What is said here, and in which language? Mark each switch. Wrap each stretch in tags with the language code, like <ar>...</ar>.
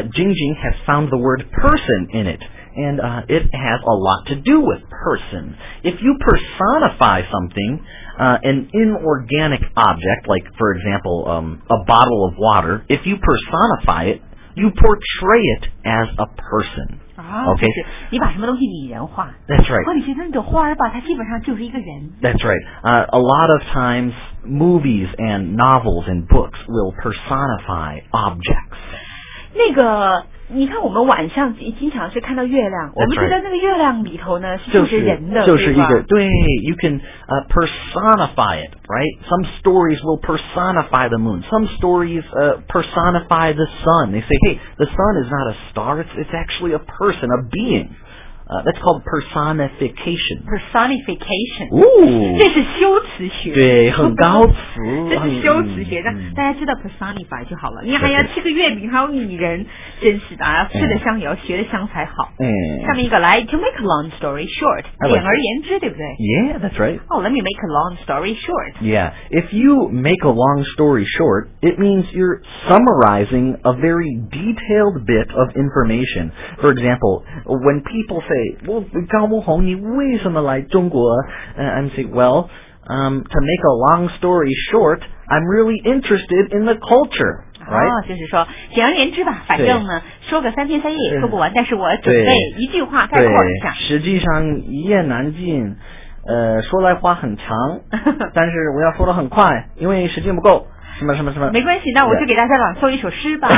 <en>Jingjing has found the word person in it, and it has a lot to do with person. If you personify something, an inorganic object, like, for example, a bottle of water, if you personify it, you portray it as a person. Okay.</en> <zh>你把什么东西拟人化</zh> <en>That's right</en> <zh>或者是那朵花吧它基本上就是一个人</zh> <en>That's right A lot of times movies and novels and books will personify objects</en> <zh>那个你看我们晚上经常是看到月亮、</zh> <en>That's、</en> <zh>我们就在那个月亮里头呢是就是人的、就是、对吧就是一个对</zh> <en>You can personify it right Some stories will personify the moon Some stories personify the sun They say hey the sun is not a star It's actually a person a beingthat's called personification. Personification. Ooh.</en> <zh>这是修辞学。对，很高级。这是修辞学，让大家知道 personify 就好了。你还要吃个月饼，还有拟人，真是的啊！吃得香也要学得香才好。嗯。下面一个来 ，</zh> <en>to make a long story short，</en> <zh>简而言之，对不对</zh> <en>？Yeah, that's right. Oh, let me make a long story short. Yeah, if you make a long story short, it means you're summarizing a very detailed bit of information. For example, when people say Well, 高木宏，</en> <zh>你为什么来中国？</zh> <en>I'm saying, well, to make a long story short, I'm really interested in the culture, right?、</en> <zh>哦、就是说，简而言之吧，反正呢，说个三天三夜也说不完，但是我准备一句话概括一下。实际上一言难尽，说来话很长，但是我要说得很快，因为时间不够。什么什么什么？没关系，那我就给大家朗诵一首诗吧。</zh>